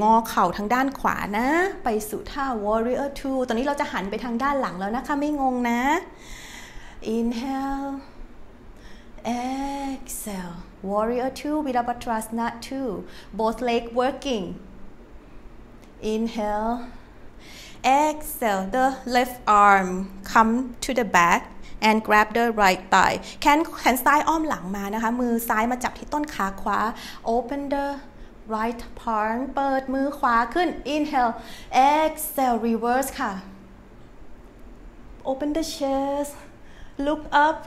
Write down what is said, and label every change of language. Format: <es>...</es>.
<th>งอเข่าทางด้านขวานะไปสู่ท่า warrior 2. ตอนนี้เราจะหันไปทางด้านหลังแล้วนะคะไม่งงนะ</th> <en>Inhale, exhale, warrior 2, Virabhadrasana 2. Both leg working. Inhale, exhale, the left arm come to the back. And grab the right thigh.</en> <th>แขนซ้ายอ้อมหลังมานะคะมือซ้ายมาจับที่ต้นขาขวา</th> <en>Open the right palm.</en> <th>เปิดมือขวาขึ้น</th> <en>Inhale. Exhale. Reverse ค่ะ Open the chest. Look up.</en>